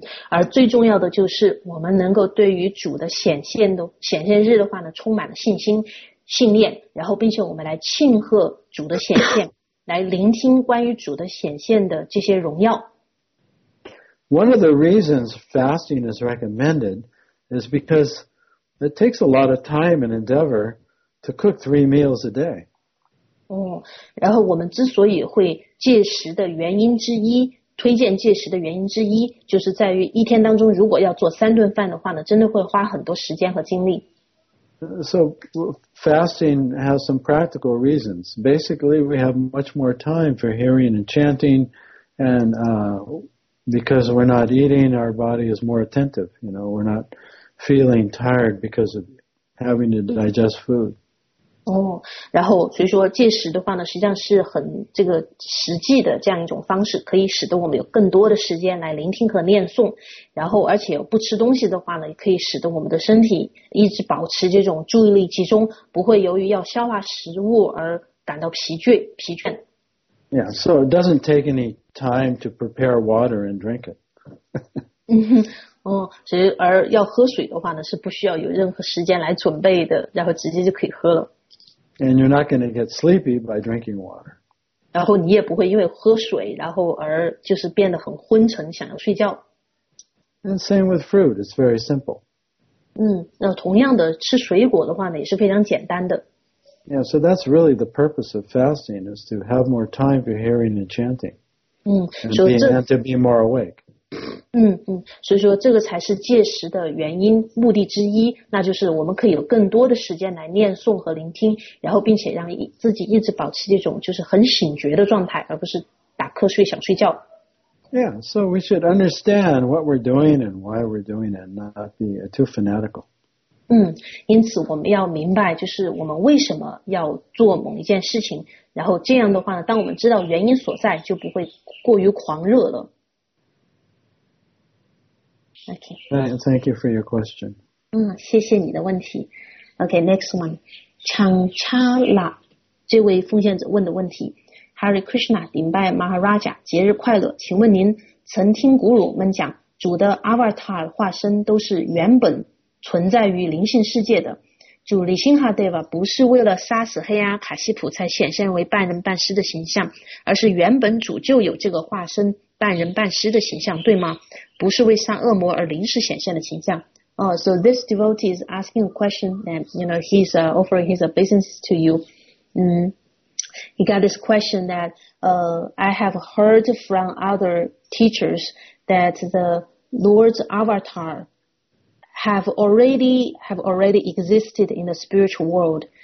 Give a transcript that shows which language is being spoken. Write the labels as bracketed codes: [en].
[zh] 而最重要的就是我们能够对于主的显现日的话呢充满了信心信念然后并且我们来庆贺主的显现来聆听关于主的显现的这些荣耀 [en] One of the reasons fasting is recommended is because it takes a lot of time and endeavor to cook 3 meals a day [zh] 然后我们之所以会戒食的原因之一推荐戒食的原因之一就是在于一天当中如果要做三顿饭的话呢真的会花很多时间和精力。 [en] So, fasting has some practical reasons. Basically, we have much more time for hearing and chanting, and because we're not eating, our body is more attentive. You know, we're not feeling tired because of having to digest food. [zh] 然后所以说戒食的话呢实际上是很这个实际的这样一种方式可以使得我们有更多的时间来聆听和念诵然后而且不吃东西的话呢也可以使得我们的身体一直保持这种注意力集中不会由于要消化食物而感到疲倦 [en] Yeah, so it doesn't take any time to prepare water and drink it. [zh] 而要喝水的话呢是不需要有任何时间来准备的然后直接就可以喝了。 [en] And you're not going to get sleepy by drinking water. [zh] 然后你也不会因为喝水，然后而就是变得很昏沉，想要睡觉。 [en] And same with fruit, it's very simple. [zh] 那同样的吃水果的话呢，也是非常简单的。 [en] Yeah, so that's really the purpose of fasting is to have more time for hearing and chanting. And to be more awake. [zh] 所以说这个才是戒食的原因目的之一那就是我们可以有更多的时间来念诵和聆听然后并且让自己一直保持这种就是很醒觉的状态而不是打瞌睡想睡觉 [en] Yeah, so we should understand what we're doing and why we're doing it not be too fanatical [zh] 因此我们要明白就是我们为什么要做某一件事情然后这样的话呢当我们知道原因所在就不会过于狂热了 [en] Okay. Right, thank you for your question. [zh] 谢谢你的问题。 [en] Okay, next one. [zh] Chanchala, 这位奉献者问的问题。 Hare Krishna, 顶拜 Maharaja, 节日快乐。请问您曾听古鲁们讲主的 Avatar 化身都是原本存在于灵性世界的。主里辛哈德瓦不是为了杀死黑阿卡西普才显现为半人半狮的形象，而是原本主就有这个化身半人半狮的形象，对吗？不是为杀恶魔而临时显现的形象。 [en] So this devotee is asking a question, and you know, he's offering his obeisance to you. He got this question that I have heard from other teachers that the Lord's avatar have already existed in the spiritual world.